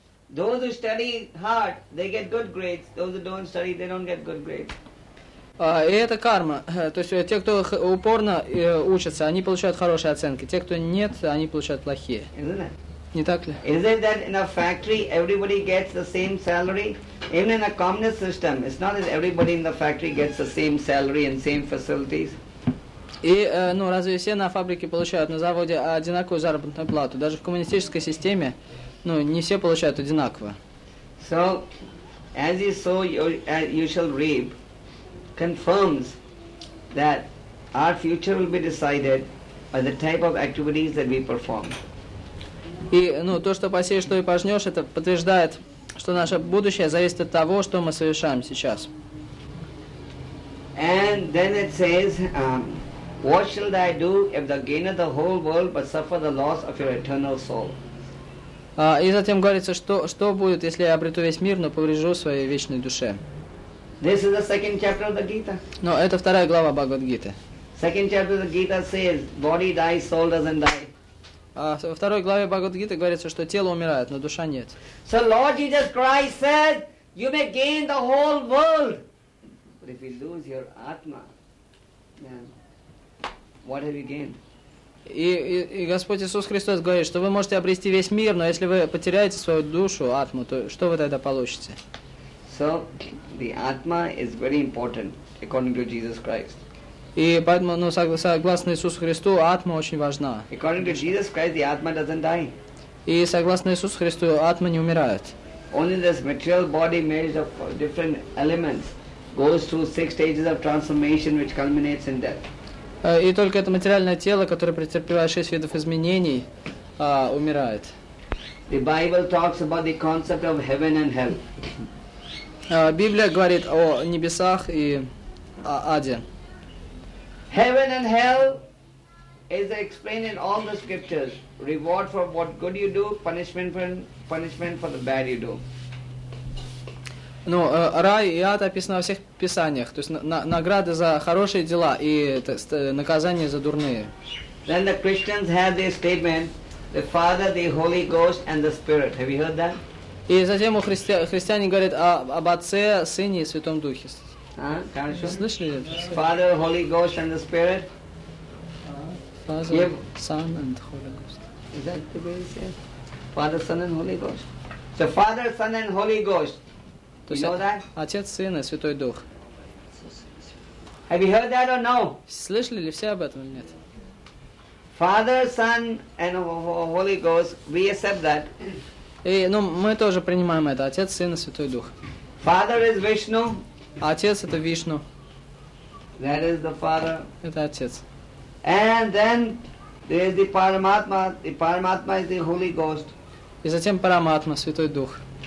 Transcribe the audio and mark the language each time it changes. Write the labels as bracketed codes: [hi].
[en] Those who study hard, they get good grades. Those who don't study, they don't get good grades. [ru] И это карма. То есть те, кто упорно учатся, они получают хорошие оценки. Те, кто нет, они получают плохие. [en] Isn't it? [ru] Не так ли? [en] Isn't that in a factory everybody gets the same salary? Even in a communist system, it's not that everybody in the factory gets the same salary and same facilities. [ru] И, ну, разве все на фабрике получают на заводе одинаковую заработную плату? Даже в коммунистической системе, ну, не все получают одинаково. [en] So, as you sow, you shall reap, confirms that our future will be decided by the type of activities that we perform. [ru] И, ну, то, что посеешь, то и пожнешь, это подтверждает, что наше будущее зависит от того, что мы совершаем сейчас. [en] And then it says, what shall I do if thou gainest the whole world but suffer the loss of your eternal soul? [ru] И затем говорится, что будет, если я обрету весь мир, но поврежу своей вечной душе. [en] This is the second chapter of the Gita. [ru] Но это вторая глава Бхагавад-гиты. [en] Second chapter of the Gita says, body dies, soul doesn't die. [ru] Во второй главе Бхагавад-гиты говорится, что тело умирает, но душа нет. [en] So Lord Jesus Christ said, you may gain the whole world, but if you lose your atma, then what have you gained? [ru] И Господь Иисус Христос говорит, что вы можете обрести весь мир, но если вы потеряете свою душу, атму, то что вы тогда получите? [en] So, the atma is very important, according to Jesus Christ. [ru] И поэтому, ну, согласно Иисусу Христу, атма очень важна. [en] According to Jesus Christ, the atma doesn't die. [ru] И согласно Иисусу Христу, атма не умирает. [en] Only this material body made of different elements goes through six stages of transformation, which culminates in death. [ru] И только это материальное тело, которое претерпевает шесть видов изменений, умирает. [en] The Bible talks about the concept of heaven and hell. [ru] Библия говорит о небесах и о аде. [en] Heaven and hell is explained in all the scriptures. Reward for what good you do, punishment for the bad you do. [ru] Ну, рай и ад описаны во всех писаниях, то есть награды за хорошие дела и наказание за дурные. [en] Then the Christians had this statement, the Father, the Holy Ghost and the Spirit. Have you heard that? [ru] И затем у христиане говорят об Отце, Сыне и Святом Духе. А, хорошо. Слышали это? [en] Father, Holy Ghost and the Spirit. Father, Son and Holy Ghost. Is that the way you say it? Father, Son and Holy Ghost. So Father, Son and Holy Ghost. You know that? [ru] Отец, Сын и Святой Дух. [en] Have you heard that or no? [ru] Слышали ли все об этом или нет? [en] Father, Son and Holy Ghost, we accept that. [ru] И, ну, мы тоже принимаем это. Отец, Сын и Святой Дух. [en] Father is Vishnu. [ru] Отец это Вишну. [en] That is the Father. [ru] Это Отец. [en] And then there is the Paramatma. The Paramatma is the Holy Ghost. [ru] И затем Параматма, Святой Дух.